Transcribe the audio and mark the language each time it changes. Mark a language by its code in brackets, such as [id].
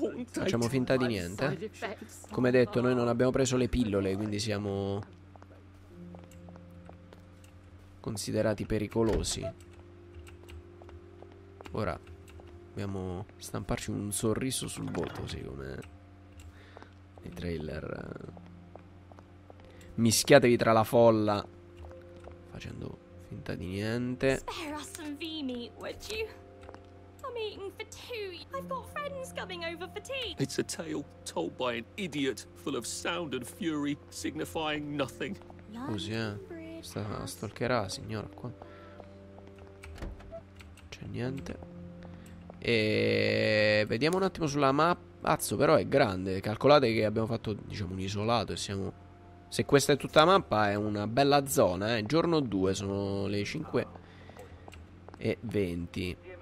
[it] Facciamo finta di niente. Come detto, noi non abbiamo preso le pillole, quindi siamo considerati pericolosi. Ora dobbiamo stamparci un sorriso sul volto, così come i trailer. Mischiatevi tra la folla facendo finta di niente. [en] Spare us some vee meat, would you? I'm eating for two. I've got friends coming over for tea. It's a tale told by an idiot full of sound and fury signifying nothing. [it] Scusi, sta stalkerà, signora, qua. C'è niente. E vediamo un attimo sulla mappa. Azzo, però è grande. Calcolate che abbiamo fatto, diciamo, un isolato e siamo... Se questa è tutta la mappa, è una bella zona, eh. Giorno 2, sono le 5 e 20.